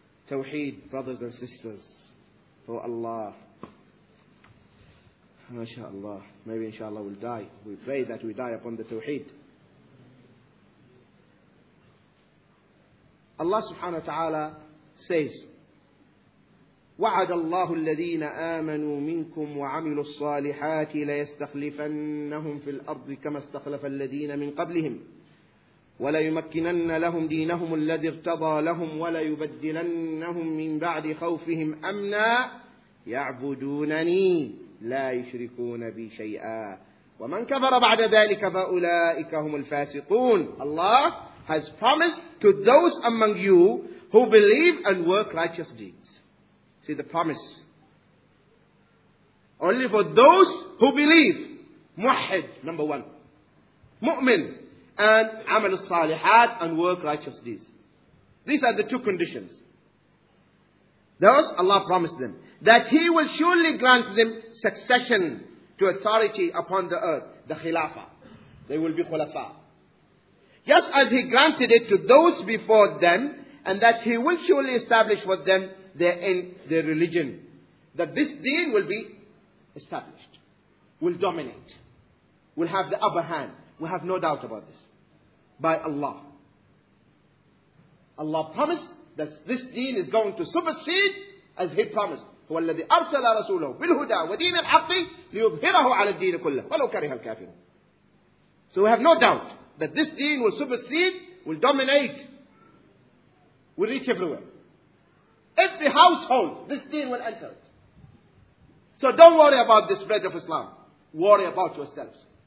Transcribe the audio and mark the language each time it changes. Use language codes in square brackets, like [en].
[en] Tawheed, brothers and sisters, for Allah. MashaAllah. Maybe inshaAllah we'll die. We pray that we die upon the Tawheed. [ar] Allah subhanahu wa ta'ala says, وَعَدَ اللَّهُ الَّذِينَ آمَنُوا مِنْكُمْ وَعَمِلُوا الصَّالِحَاتِ لَيَسْتَخْلِفَنَّهُمْ فِي الْأَرْضِ كَمَا اسْتَخْلَفَ الَّذِينَ مِنْ قَبْلِهِمْ وَلَيُمَكِّنَنَّ لَهُمْ دِينَهُمُ الَّذِي ارْتَضَى لَهُمْ وَلَيُبَدِّلَنَّهُمْ مِنْ بَعْدِ خَوْفِهِمْ أَمْنًا يَعْبُدُونَنِي لَا يُشْرِكُونَ بِي شَيْئًا وَمَنْ كَفَرَ بَعْدَ ذَلِكَ فَأُولَئِكَ هُمُ الْفَاسِقُونَ. [en] Allah has promised to those among you who believe and work righteous deeds. See the promise. Only for those who believe. Muwahhid, number one. Mu'min. And amal al-salihat and work righteous deeds. These are the two conditions. Thus, Allah promised them that He will surely grant them succession to authority upon the earth, the khilafah. They will be khulafa. Just as He granted it to those before them, and that He will surely establish for them their religion. That this deen will be established, will dominate, will have the upper hand. We have no doubt about this. By Allah. Allah promised that this deen is going to supersede as He promised. [ar] هو الذي أرسل رسوله بالهدى ودين الحق ليظهره على الدين كله ولو كره الكافرون. [en] So we have no doubt that this deen will supersede, will dominate, will reach everywhere. Every household, this deen will enter it. So don't worry about the spread of Islam. Worry about yourselves.